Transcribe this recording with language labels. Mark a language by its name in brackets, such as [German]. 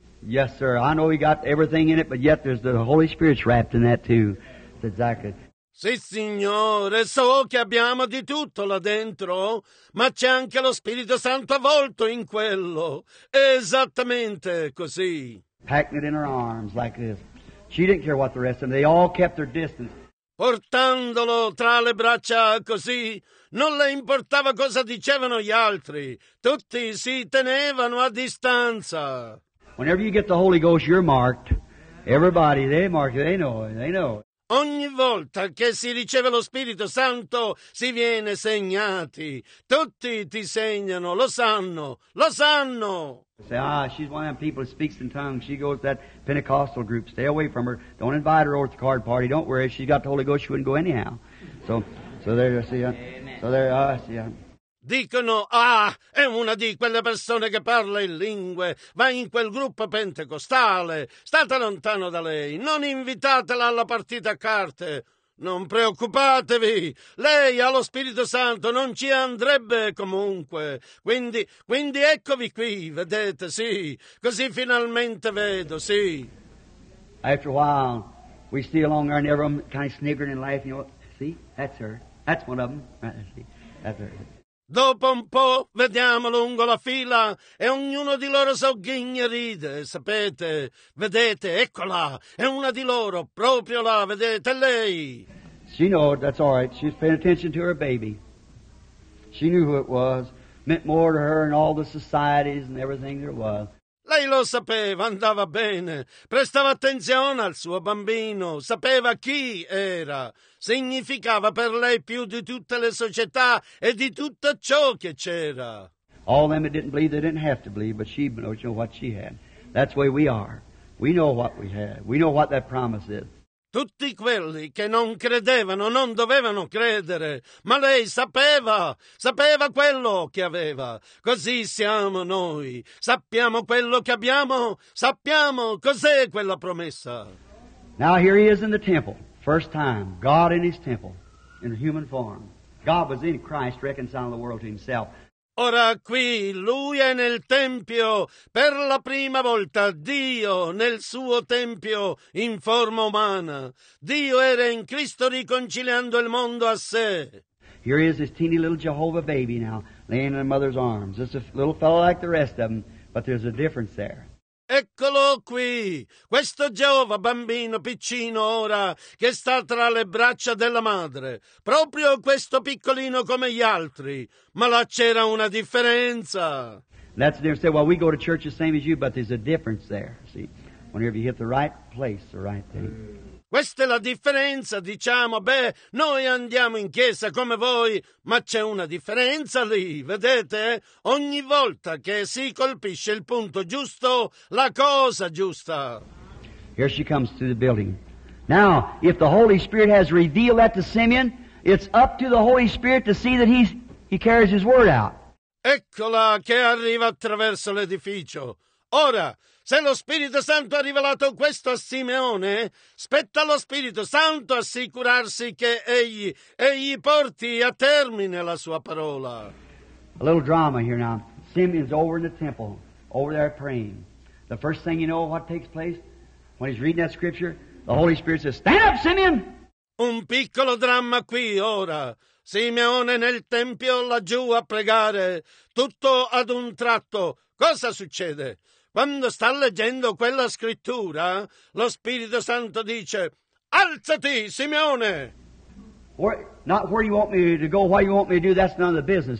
[English] Yes, sir. I know we got everything in it, but yet there's the Holy Spirit wrapped in that too. Exactly. [Italian] Sì, Signore, so che abbiamo di tutto là dentro, ma c'è anche lo Spirito Santo avvolto in quello. Esattamente così. [English] Packing it in her arms like this. She didn't care what the rest of them, they all kept their distance. [Italian] Portandolo tra le braccia così, non le importava cosa dicevano gli altri. Tutti si tenevano a distanza. [English] Whenever you get the Holy Ghost, you're marked. Everybody, they mark it, they know. [Italian] Ogni volta che si riceve lo Spirito Santo, si viene segnati. Tutti ti segnano, lo sanno. [English] Say, ah, she's one of the people who speaks in tongues. She goes to that Pentecostal group. Stay away from her. Don't invite her over to the card party. Don't worry. If she's got the Holy Ghost, she wouldn't go anyhow. So there you see. [Italian] Dicono, ah, è una di quelle persone che parla in lingue, va in quel gruppo pentecostale, state lontano da lei, non invitatela alla partita a carte, non preoccupatevi, lei ha lo Spirito Santo, non ci andrebbe comunque, quindi eccovi qui, vedete, sì, così finalmente vedo, sì. [English] After a while, we see along there and everyone kind of sniggering and laughing, you know, see, that's her, that's one of them, right, see, that's her. [Italian] Dopo un po' vediamo lungo la fila e ognuno di loro sogghigna e ride, sapete, vedete, eccola, è una di loro, proprio là, vedete, lei. [English] She knew, that's all right, she's paying attention to her baby. She knew who it was, meant more to her and all the societies and everything there was. [Italian] Lei lo sapeva, andava bene, prestava attenzione al suo bambino, sapeva chi era. Significava per lei più di tutte le società e di tutto ciò che c'era. [English] All them that didn't believe, they didn't have to believe, but she knows what she had. That's the way we are. We know what we have. We know what that promise is. [Italian] Tutti quelli che non credevano non dovevano credere, ma lei sapeva quello che aveva. Così siamo noi, sappiamo quello che abbiamo, sappiamo cos'è quella promessa. [English] Now here he is in the temple, first time, God in his temple, in human form. God was in Christ reconciling the world to himself. [Italian] Ora qui lui è nel Tempio, per la prima volta Dio nel suo Tempio in forma umana. Dio era in Cristo riconciliando il mondo a sé. [English] Here is this teeny little Jehovah baby now, laying in a mother's arms. It's a little fellow like the rest of them, but there's a difference there. [Italian] Eccolo qui, questo Geova bambino piccino ora che sta tra le braccia della madre, proprio questo piccolino come gli altri, ma là c'era una differenza. [English] That's the difference. Well, we go to church the same as you, but there's a difference there, see, whenever you hit the right place, the right thing. [Italian] Questa è la differenza, diciamo, beh, noi andiamo in chiesa come voi, ma c'è una differenza lì, vedete? Ogni volta che si colpisce il punto giusto, la cosa giusta. [English] Here she comes to the building. Now, if the Holy Spirit has revealed that to Simeon, it's up to the Holy Spirit to see that he carries his word out. [Italian] Eccola che arriva attraverso l'edificio. Ora, se lo Spirito Santo ha rivelato questo a Simeone, spetta lo Spirito Santo assicurarsi che egli porti a termine la sua parola. [English] A little drama here now. Simeon's over in the temple, over there praying. The first thing you know what takes place when he's reading that scripture, the Holy Spirit says, "Stand up, Simeon!" [Italian] Un piccolo dramma qui ora. Simeone nel tempio laggiù a pregare, tutto ad un tratto. Cosa succede? Quando sta leggendo quella scrittura, lo Spirito Santo dice, alzati, Simeone! [English] Not where you want me to go, what you want me to do, that's none of the business.